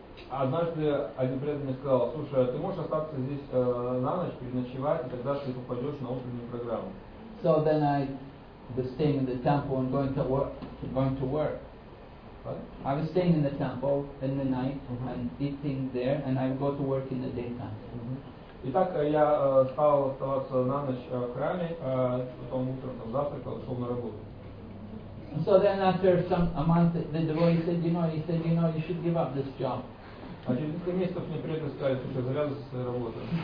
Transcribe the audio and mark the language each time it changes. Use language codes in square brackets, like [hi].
[ru] Однажды один преданный сказал: "Слушай, ты можешь остаться здесь на ночь, переночевать, и тогда ты попадешь на утреннюю программу." [en] So then I was staying in the temple and going to work. What? I was staying in the temple in the night and eating there, and I would go to work in the daytime. [ru] Итак, я стал оставаться на ночь в храме, потом утром там завтракал, шел на работу. [en] So then after a month, the devotee said, "You know, you should give up this job." [ru] А через несколько месяцев мне преданные сказали: "Слушай, завязывай с работы."